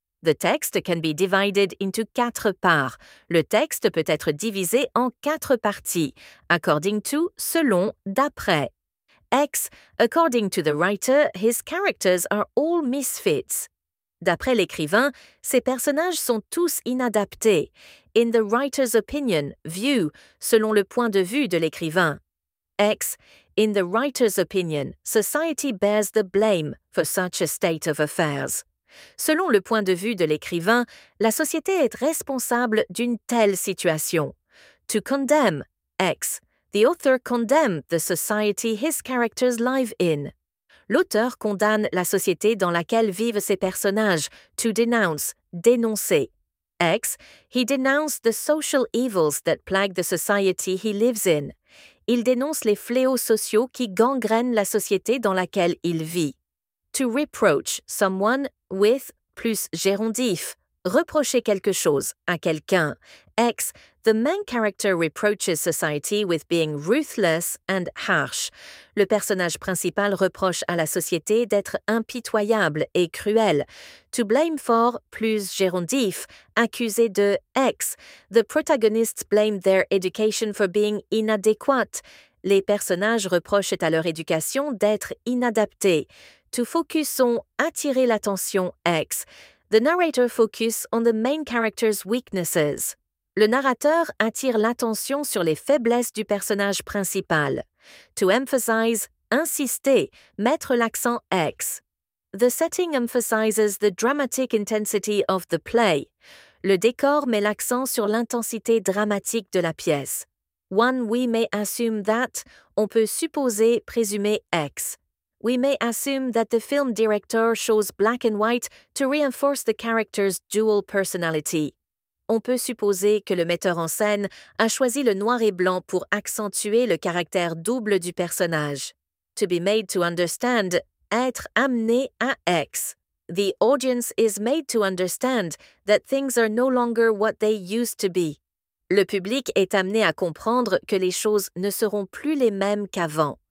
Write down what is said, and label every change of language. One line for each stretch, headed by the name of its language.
English: The text can be divided into
French: quatre
English: parts.
French: Le texte peut être divisé en quatre parties.
English: According to,
French: selon, d'après.
English: X. According to the writer, his characters are all misfits.
French: D'après l'écrivain, ses personnages sont tous inadaptés.
English: In the writer's opinion, view,
French: selon le point de vue de l'écrivain. X.
English: In the writer's opinion, society bears the blame for such a state of affairs.
French: Selon le point de vue de l'écrivain, la société est responsable d'une telle situation.
English: To condemn, X. The author condemned the society his characters live in.
French: L'auteur condamne la société dans laquelle vivent ses personnages.
English: To denounce,
French: dénoncer.
English: X. He denounced the social evils that plague the society he lives in.
French: Il dénonce les fléaux sociaux qui gangrènent la société dans laquelle il vit.
English: To reproach someone with
French: plus gérondif. Reprocher quelque chose à quelqu'un. X.
English: The main character reproaches society with being ruthless and harsh.
French: Le personnage principal reproche à la société d'être impitoyable et cruel.
English: To blame for
French: plus gérondif. Accusé de X.
English: The protagonists blame their education for being inadequate.
French: Les personnages reprochent à leur éducation d'être inadaptés.
English: To focus on
French: attirer l'attention
English: X. The narrator focuses on the main character's weaknesses.
French: Le narrateur attire l'attention sur les faiblesses du personnage principal.
English: To emphasize,
French: insister, mettre l'accent X.
English: The setting emphasizes the dramatic intensity of the play.
French: Le décor met l'accent sur l'intensité dramatique de la pièce.
English: One, we may assume that,
French: on peut supposer, présumer
English: X. We may assume that the film director shows black and white to reinforce the character's dual personality.
French: On peut supposer que le metteur en scène a choisi le noir et blanc pour accentuer le caractère double du personnage.
English: To be made to understand,
French: être amené à
English: X. The audience is made to understand that things are no longer what they used to be.
French: Le public est amené à comprendre que les choses ne seront plus les mêmes qu'avant.